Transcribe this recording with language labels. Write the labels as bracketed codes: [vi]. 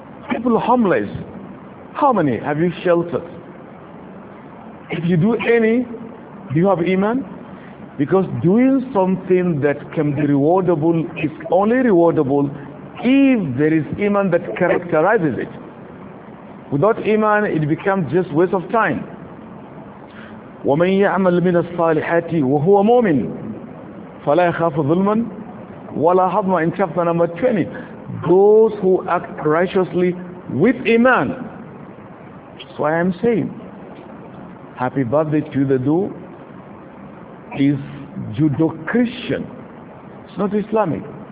[en] People homeless, how many have you sheltered? If you do any, do you have iman? Because doing something that can be rewardable is only rewardable if there is iman that characterizes it. Without iman, it becomes just waste of time. [ar] ومن يعمل من الصالحات وهو مؤمن فلا يخاف ظلما ولا هضما. [en] In chapter number 20, those who act righteously with iman. So I am saying, happy birthday to the Jew. He's Judeo-Christian. It's not Islamic.